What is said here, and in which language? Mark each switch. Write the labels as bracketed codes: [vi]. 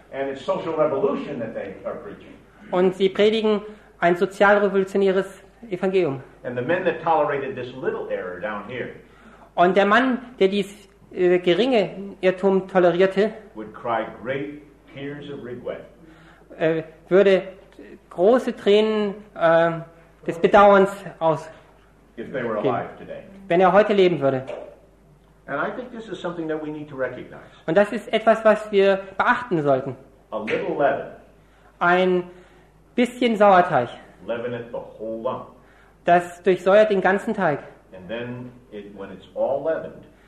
[en] And it's social revolution that they are preaching. [de] Und sie predigen ein sozialrevolutionäres Evangelium. [en] And the men that tolerated this little error down here, [de] und der Mann, der dies geringe Irrtum tolerierte, [en] would cry great tears of regret. [de] Würde große Tränen des Bedauerns ausgeben, wenn er heute leben würde. [en] And I think this is something that we need to recognize. [de] Und das ist etwas, was wir beachten sollten. [en] A little leaven. [de] Ein bisschen Sauerteig. [en] Leaveneth the whole lump. [de] Das durchsäuert den ganzen Teig. [en] And then when it's all leavened.